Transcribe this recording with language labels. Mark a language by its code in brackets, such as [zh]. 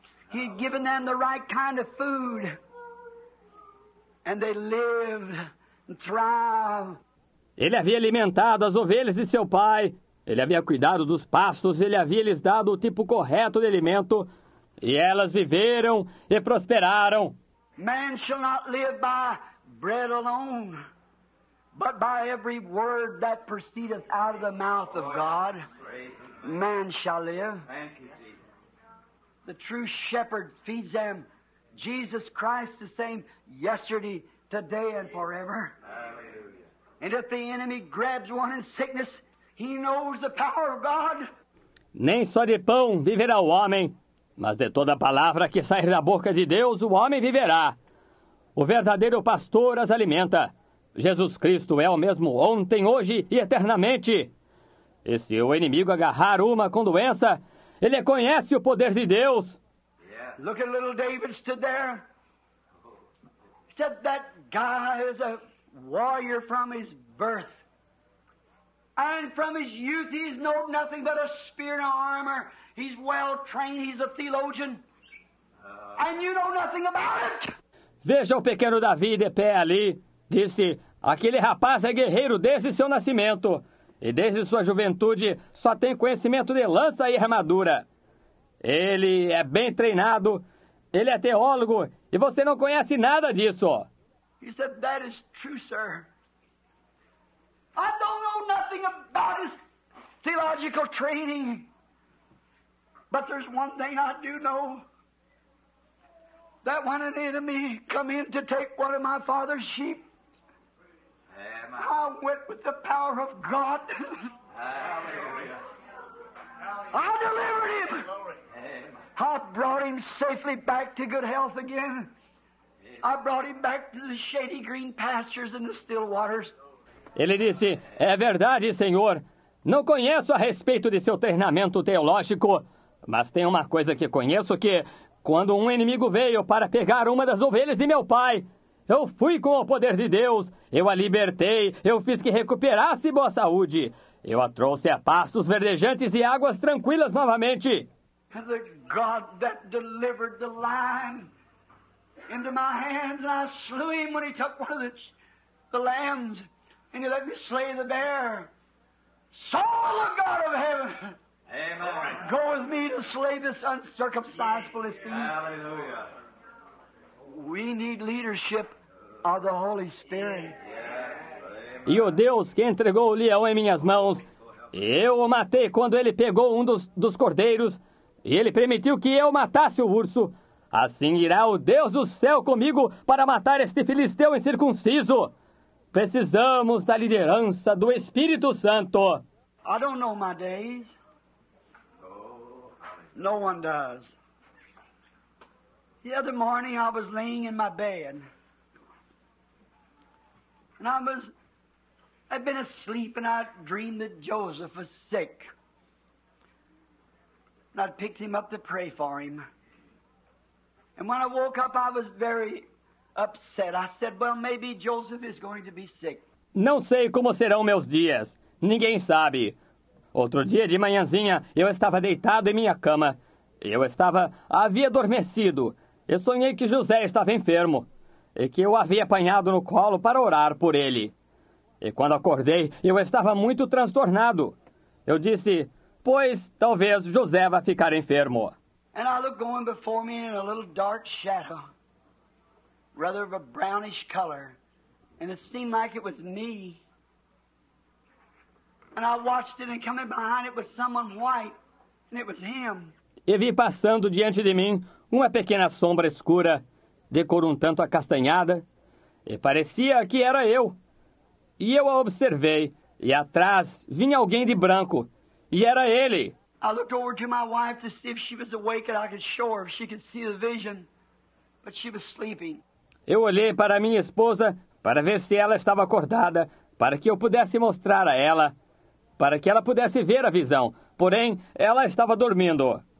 [en] He had given them the right kind of food. And they lived and thrived. [pt] Ele havia alimentado as ovelhas de seu pai. Ele havia cuidado dos pastos. Ele havia lhes dado o tipo correto de alimento. E elas viveram e prosperaram. [en] Man shall not live by bread alone, but by every word that proceedeth out of the mouth of God, man shall live. Thank you, Jesus. The true shepherd feeds them. Jesus Christ the same yesterday, today, and forever. Hallelujah. And if the enemy grabs one in sickness, he knows the power of God. [pt] Nem só de pão viverá o homem, mas de toda palavra que sair da boca de Deus, o homem viverá. O verdadeiro pastor as alimenta. Jesus Cristo é o mesmo ontem, hoje e eternamente. E se o inimigo agarrar uma com doença, ele conhece o poder de Deus. [en] Yeah. Look at little David stood there. He said, that guy is a warrior from his birth. And from his youth he's known nothing but a spear and armor. He's well trained, he's a theologian. And you know nothing about it. [pt] Veja o pequeno Davi de pé ali. Disse, aquele rapaz é guerreiro desde seu nascimento. E desde sua juventude só tem conhecimento de lança e armadura. Ele é bem treinado. Ele é teólogo. E você não conhece nada disso. [en] He said, that is true, sir. I don't know nothing about his theological training. But there's one thing I do know. That when an enemy come in to take one of my father's sheep, Amen. I went with the power of God. Hallelujah. Hallelujah. I delivered him. Glory. I brought him safely back to good health again. I brought him back to the shady green pastures and the still waters. [pt] Ele disse, é verdade, Senhor. Não conheço a respeito de seu treinamento teológico, mas tem uma coisa que conheço, que quando um inimigo veio para pegar uma das ovelhas de meu pai, eu fui com o poder de Deus, eu a libertei, eu fiz que recuperasse boa saúde. Eu a trouxe a pastos verdejantes e águas tranquilas novamente. [en] The God that delivered the lion into my hands, and I slew him when he took one of the lambs, and he let me slay the bear. So the God of heaven, amen, go with me to slay this uncircumcised Philistine. Hallelujah. We need leadership of the Holy Spirit. [pt] E o Deus que entregou o leão em minhas mãos, eu o matei quando ele pegou um dos cordeiros, e ele permitiu que eu matasse o urso. Assim irá o Deus do céu comigo para matar este filisteu incircunciso. Precisamos da liderança do Espírito Santo. [en] I don't know my days. No one does. The other morning I was laying in my bed. And I'd been asleep and I dreamed that Joseph was sick. And I'd picked him up to pray for him. And when I woke up, I was very upset. I said, well, maybe Joseph is going to be sick. [pt] Não sei como serão meus dias. Ninguém sabe. Outro dia de manhãzinha, eu estava deitado em minha cama. Havia adormecido. Eu sonhei que José estava enfermo e que eu havia apanhado no colo para orar por ele. E quando acordei, eu estava muito transtornado. Eu disse, pois talvez José vá ficar enfermo. [en] And I looked going before me in a little dark shadow, rather of a brownish color, and it seemed like it was me. And I watched it, and coming behind it was someone white, and it was him. [pt] E vi passando diante de mim uma pequena sombra escura, de cor um tanto acastanhada, e parecia que era eu. E eu a observei, e atrás vinha alguém de branco, e era ele. [en] I looked over to my wife to see if she was awake and I could show her if she could see the vision, but she was sleeping. [pt] Eu olhei para minha esposa para ver se ela estava acordada, para que eu pudesse mostrar a ela, para que ela pudesse ver a visão. Porém, ela estava dormindo.